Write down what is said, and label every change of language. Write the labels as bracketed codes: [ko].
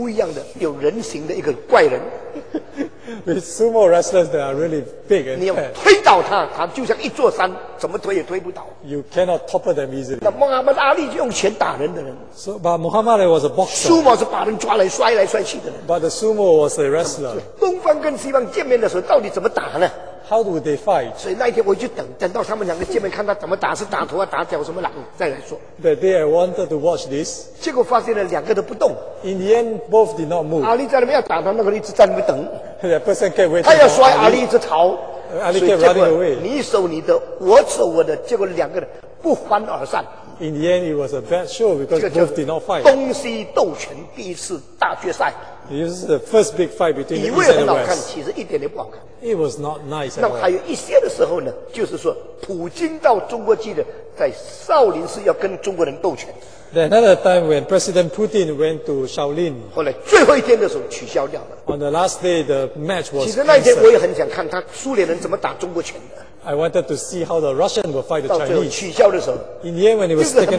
[zh] 那么苏某是胖到像猪一样的有人形的一个怪人。 [en] With sumo wrestlers, they are really big and [zh] 你要推倒他, 他就像一座山, 怎么推也推不倒。 [en] You cannot topple them easily. [zh] 那Muhammad Ali 就用拳打人的人。 [en] So, but Muhammad Ali was a boxer. [zh] 苏某是把人抓来摔来摔去的人。 [en] But the sumo was a wrestler. [zh] 东方跟西方见面的时候, 到底怎么打呢? [en] How do they fight? [zh] 所以那一天我就等到他们两个见面，看他怎么打，是打头啊，打脚什么狼，再来说。 [en] That day I wanted to watch this. [zh] 结果发现了两个都不动。 [en] In the end, both did not move. [zh] 阿里在那边要打他，那个一直在那边等。 [en] That person kept waiting. [zh] 他要摔阿里，一直逃。 [en] 阿里 kept running away. [zh] 你守你的，我守我的，结果两个人不欢而散。 [en] In the end, it was a bad show because both did not fight. [zh] 东西斗拳第一次大决赛。 [en] This is the first big fight between the East and the West. [zh] 其实一点也不好看。 [en] It was not nice at all. [zh] 那还有一些的时候呢, 就是说, 普京到中国去的, 在少林寺要跟中国人斗拳。 [en] Then another time when President Putin went to Shaolin. [zh] 后来最后一天的时候取消掉了。 [en] On the last day, the match was canceled. [zh] 其实那天我也很想看他苏联人怎么打中国拳的。 [en] I wanted to see how the Russians will fight the Chinese. [zh] 取消的时候, [en] in the end, when it was taken over,